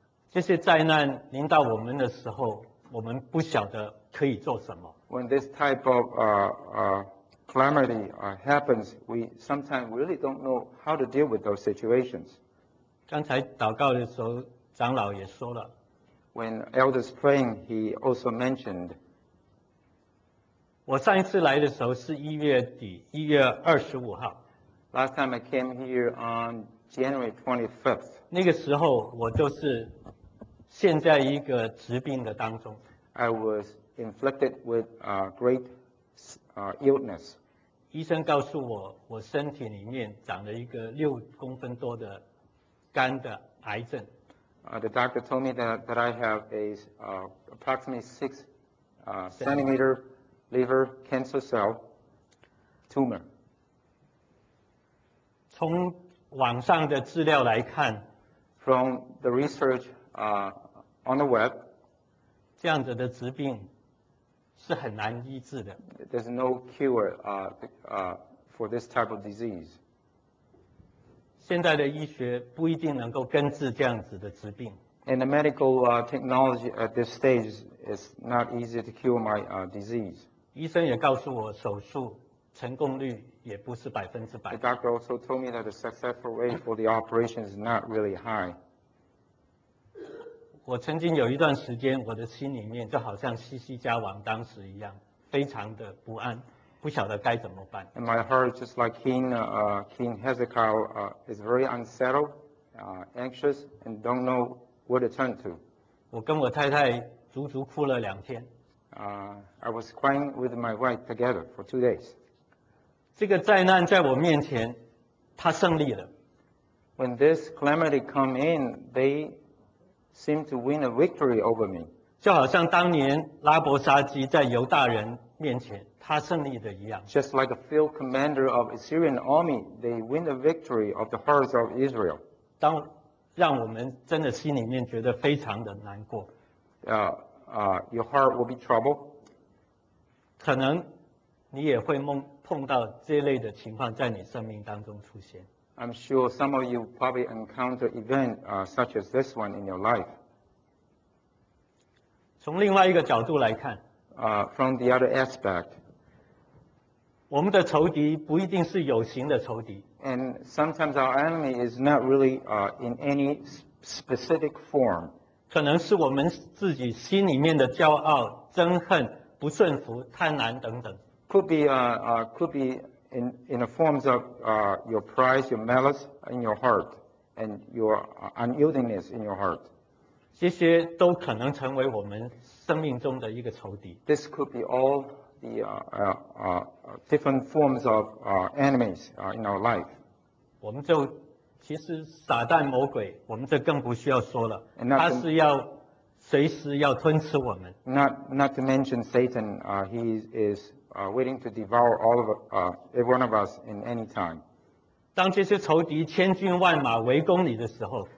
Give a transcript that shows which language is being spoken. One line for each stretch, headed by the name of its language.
Chinese: 这些灾难临到我们的时候，我们不晓得可以做什么。
English: When this type of calamity happens, we sometimes really don't know how to deal with those situations.
Chinese: 刚才祷告的时候，长老也说了。
English: When elders praying, he also mentioned.
Chinese: 我上一次来的时候是一月底，一月二十五号。
English: Last time I came here on January 25th.
Chinese: 那个时候我就是陷在一个疾病的当中。
English: I was inflicted with a great illness.
Chinese: 医生告诉我，我身体里面长了一个六公分多的肝的癌症。
English: The doctor told me that I have a approximately six centimeter liver cancer cell tumor.
Chinese: 从网上的资料来看
English: ，from the research on the web，
Chinese: 这样子的疾病是很难医治的。
English: There's no cure for this type of disease.
Chinese: 现在的医学不一定能够根治这样子的疾病。
English: And the medical technology at this stage is not easy to cure my disease.
Chinese: 医生也告诉我，手术成功率也不是百分之百。
English: The doctor also told me that the successful rate for the operation is not really high.
Chinese: 我曾经有一段时间，我的心里面就好像西西家王当时一样，非常的不安，不晓得该怎么办。
English: And my heart, just like King Hezekiah, is very unsettled, anxious, and don't know what to turn to.
Chinese: 我跟我太太足足哭了两天。
English: I was crying with my wife together for 2 days.
Chinese: 这个灾难在我面前，他胜利了。
English: When this calamity come in, they seem to win a victory over me.
Chinese: 就好像当年拉伯沙基在犹大人面前他胜利的一样。
English: Just like a field commander of Assyrian army, they win the victory of the hordes of Israel.
Chinese: 当让我们真的心里面觉得非常的难过。
English: Your heart will be troubled.
Chinese: 可能你也会碰到这类的情况在你生命当中出现。
English: I'm sure some of you probably encounter events such as this one in your life.
Chinese: 从另外一个角度来看
English: from the other aspect,
Chinese: 我们的仇敌不一定是有形的仇敌。
English: And sometimes our enemy is not really in any specific form.
Chinese: 可能是我们自己心里面的骄傲、憎恨、不顺服、贪婪等等。
English: Could be in the forms of your pride, your malice in your heart, and your unyieldingness in your heart.
Chinese: 这些都可能成为我们生命中的一个仇敌。
English: This could be all the different forms of enemies in our life.
Chinese: 我们就。其实撒旦魔鬼我们这更不需要说了他是要随时要吞吃我们
English: not to mention Satan he is waiting to devour all of every one of us in any time
Chinese: 当这些仇敌千军万马围攻你的时候